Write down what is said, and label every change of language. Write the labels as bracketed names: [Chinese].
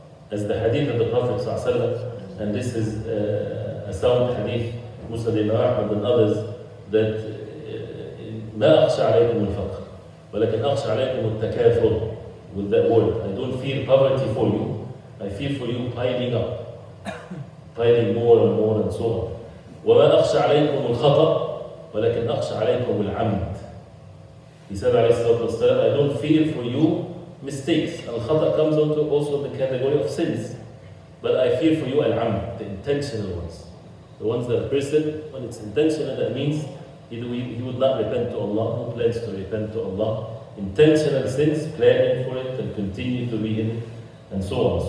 [English] As the hadith of the Prophet ﷺ, and this is a sound hadith, Musa bin Ahmad and others, that [Arabic] ما أخشى عليكم الفقر ولكن أخشى عليكم التكاثر. [English] With that word, I don't fear poverty for you, I fear for you piling up, piling more and more and so on. [Arabic] وما أخشى عليكم الخطأ ولكن أخشى عليكم العمد. [English] He said [Arabic] عليه الصلاة والسلام, [English] I don't fear for you mistakes. Al-Khata comes onto also the category of sins. But I fear for you al-amd, the intentional ones. The ones that a person, when it's intentional, that means he would not repent to Allah, who plans to repent to Allah. Intentional sins, planning for it and continue to be in it, and so on.